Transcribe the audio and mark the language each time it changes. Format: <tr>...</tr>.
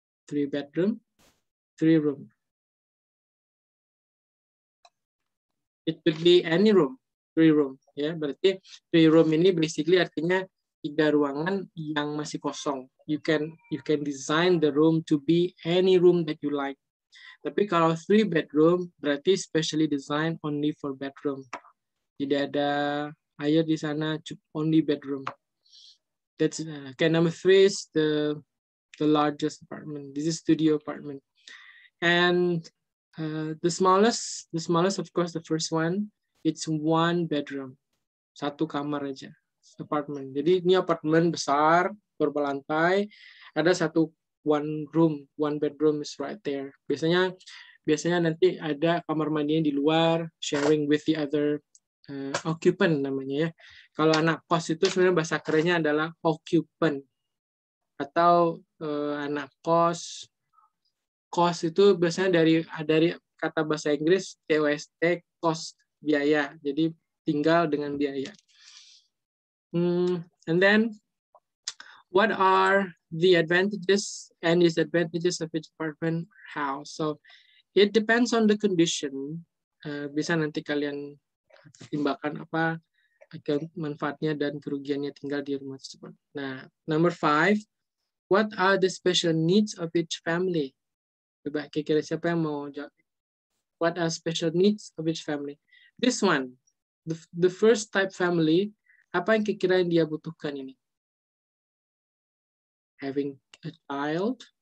<en>Three bedroom. Three room. It could be any room, three room.</en> <id>Ya, berarti</id> <en>three room</en> <id>ini basically artinya tiga ruangan yang masih kosong.</id> <en>You can design the room to be any room that you like.</en> <id>Tapi kalau</id> <en>three bedroom berarti specially designed only for bedroom.</en> <id>Tidak ada air di sana,</id> <en>only bedroom. That's okay. Number three is the largest apartment. This is studio apartment. And the smallest, of course, the first one, it's one bedroom,</en> <id>satu kamar aja,</id> <en>apartment.</en> <id>Jadi ini apartment besar, berbelantai, ada satu</id> <en>one room, one bedroom is right there.</en> <id>Biasanya nanti ada kamar mandinya di luar,</id> <en>sharing with the other occupant</en> <id>namanya ya. Kalau anak kos itu sebenarnya bahasa kerennya adalah occupant, atau anak kos. Cost itu biasanya dari kata bahasa Inggris COST, cost, biaya. Jadi tinggal dengan biaya.</id> <en>And then what are the advantages and disadvantages of each apartment or house? So it depends on the condition.</en> <id>Bisa nanti kalian pertimbangkan apa manfaatnya dan kerugiannya tinggal di rumah tersebut.</id> <en>Nah, number five, what are the special needs of each family?</en> <id>Coba kira-kira siapa yang mau jawab.</id> <en>What are special needs of each family? This one, the first type family,</en> <id>apa yang kira-kira yang dia butuhkan ini?</id> <en>Having a child.</en>